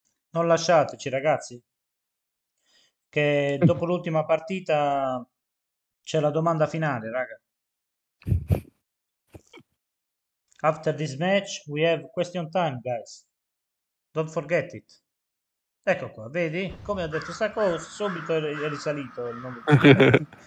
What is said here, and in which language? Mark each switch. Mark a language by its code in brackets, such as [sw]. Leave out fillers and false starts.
[it] Non lasciateci ragazzi, che dopo l'ultima partita c'è la domanda finale, raga. [en] After this match we have question time, guys. Don't forget it. [it] Ecco qua, vedi? Come ho detto, stacco subito è risalito il nome.